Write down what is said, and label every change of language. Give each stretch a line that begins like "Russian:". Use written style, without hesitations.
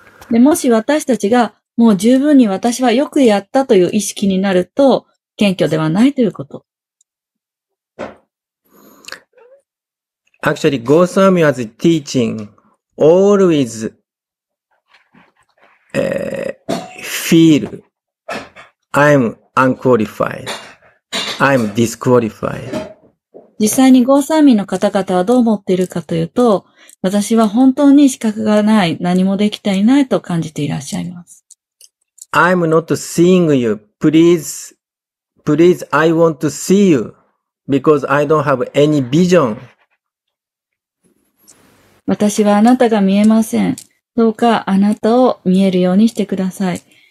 Japanese: でもし私たちがもう十分に私はよくやったという意識になると謙虚ではないということ。
English: Actually, Goswami was teaching always、feel I'm unqualified, I'm disqualified.
Japanese: 実際にGoswamiの方々はどう思っているかというと、私は本当に資格がない、何もできていないと感じていらっしゃいます。
English: I'm not seeing you. Please, please, I want to see you because I don't have any vision.
Japanese: 私はあなたが見えません。どうかあなたを見えるようにしてください。